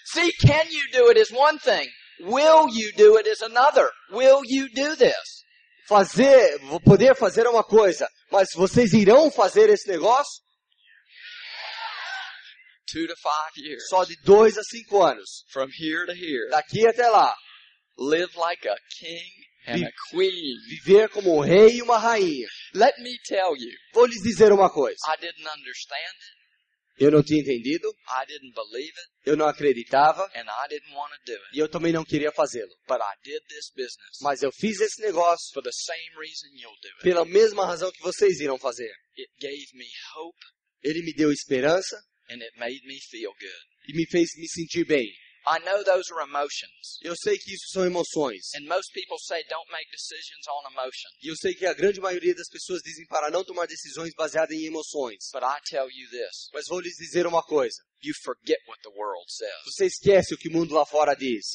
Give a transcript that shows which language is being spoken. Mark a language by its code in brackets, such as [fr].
[en] See, can you do it is one thing. Will you do it is another. Will you do this? [pt] Fazer, poder fazer é uma coisa, mas vocês irão fazer esse negócio? [en] 2 to 5 years. [pt] Só de 2 a 5 anos. [en] From here to here. [pt] Daqui até lá. [en] Live like a king and a queen. [pt] Viver como um rei e uma rainha. [en] Let me tell you. [pt] Vou lhes dizer uma coisa. [en] I didn't understand it. [pt] Eu não tinha entendido. [en] I didn't believe it. [pt] Eu não acreditava. [en] And I didn't want to do it. [pt] E eu também não queria fazê-lo. [en] But I did this business. [pt] Mas eu fiz esse negócio. [en] For the same reason you'll do it. [pt] Pela mesma razão que vocês irão fazer. [en] It gave me hope. [pt] Ele me deu esperança. [en] And it made me feel good. [pt] E me fez me sentir bem. [en] I know those are emotions. [pt] Eu sei que isso são emoções. [en] And most people say don't make decisions on emotion. [pt] E eu sei que a grande maioria das pessoas dizem para não tomar decisões baseadas em emoções. [en] But I tell you this. [pt] Mas vou lhes dizer uma coisa. [en] You forget what the world says. [pt] Você esquece o que o mundo lá fora diz.